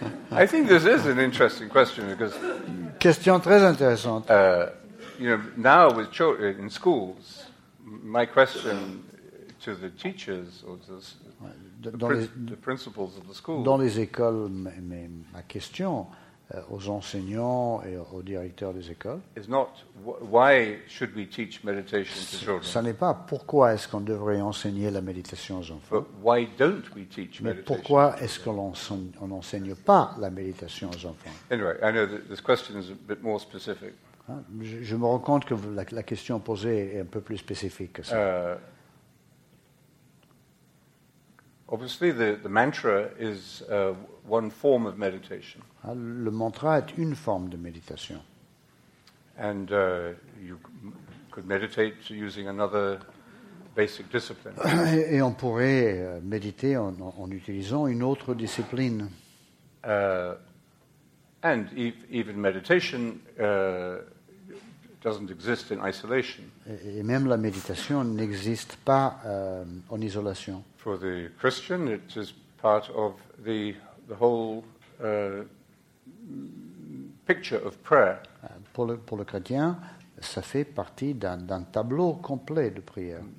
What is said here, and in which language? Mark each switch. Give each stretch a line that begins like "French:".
English: I think this is an interesting question because
French: question très intéressante.
English: You know, now with children in schools, my question to the teachers or to the principals of the school.
French: Dans les écoles, mais ma question aux enseignants et aux directeurs des écoles.
English: Is not why should we teach meditation to children.
French: Ça n'est pas pourquoi est-ce qu'on devrait enseigner la méditation aux enfants.
English: But why don't we teach meditation?
French: Mais pourquoi est-ce qu'on n'enseigne pas la méditation aux enfants?
English: Anyway, I know this question is a bit more specific.
French: Je me rends compte que la question posée est un peu plus spécifique que ça.
English: Obviously, the mantra is one form of meditation.
French: Le mantra est une forme de méditation.
English: And you could meditate using another basic discipline.
French: Et on pourrait méditer en utilisant une autre discipline.
English: And even meditation doesn't exist in isolation.
French: Et même la méditation n'existe pas en isolation.
English: For the Christian, it is part of the whole picture of prayer.
French: Pour le chrétien, ça fait partie d'un tableau complet de prière.